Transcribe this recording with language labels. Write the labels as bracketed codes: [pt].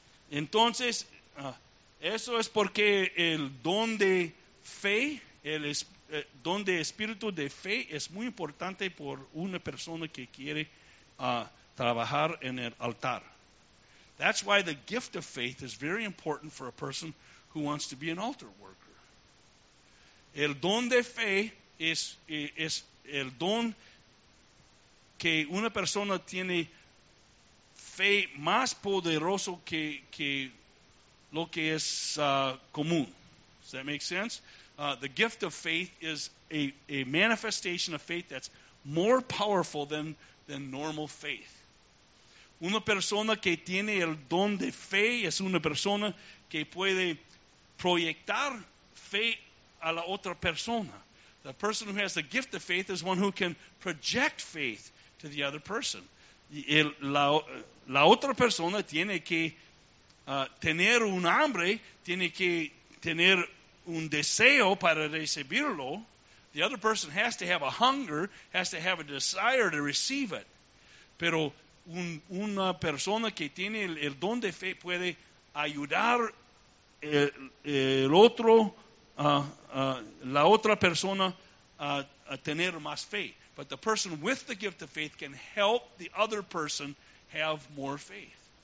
[es] Entonces, eso es porque el don de fe, don de espíritu de fe es muy importante por una persona que quiere trabajar en el altar. [en] That's why the gift of faith is very important for a person who wants to be an altar worker. [es] El don de fe es el don que una persona tiene fe más poderoso que lo que es común. [en] Does that make sense? The gift of faith is a manifestation of faith that's more powerful than normal faith. [es] Una persona que tiene el don de fe es una persona que puede proyectar fe a la otra persona. [en] The person who has the gift of faith is one who can project faith to the other person. [es] La otra persona tiene que tener un hambre, tiene que tener un deseo para recibirlo. [en] The other person has to have a hunger, has to have a desire to receive it. [es] Pero una persona que tiene el don de fe puede ayudar el otro, la otra persona a tener más fe. [en] But the person with the gift of faith can help the other person have more faith.